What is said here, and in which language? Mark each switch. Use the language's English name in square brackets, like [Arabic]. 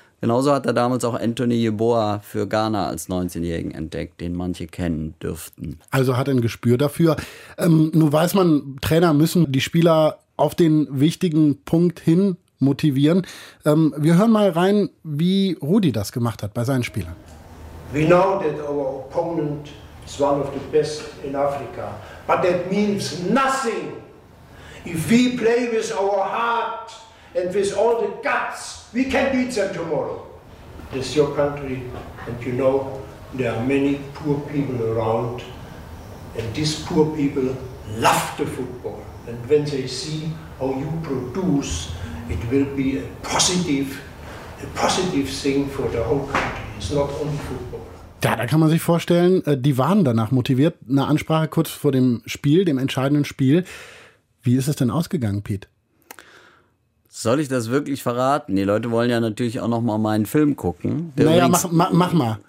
[German] Genauso hat er damals auch Anthony Yeboah für Ghana als 19-Jährigen entdeckt, den manche kennen dürften. Also hat ein Gespür dafür. Nun weiß man, Trainer müssen die Spieler auf den wichtigen Punkt hin motivieren. Wir hören mal rein, wie Rudi das gemacht hat bei seinen Spielern. [English] We know that our opponent is one of the best in Africa. But that means nothing if we play with our heart and with all the guts. We can beat them tomorrow. This is your country, and you know there are many poor people around, and these poor people love the football. And when they see how you produce, it will be a positive thing for the whole country. It's not only football. [German] Ja, da kann man sich vorstellen, die waren danach motiviert. Eine Ansprache kurz vor dem Spiel, dem entscheidenden Spiel. Wie ist es denn ausgegangen, Pete? Soll ich das wirklich verraten? Die Leute wollen ja natürlich auch noch mal meinen Film gucken. Mach mal.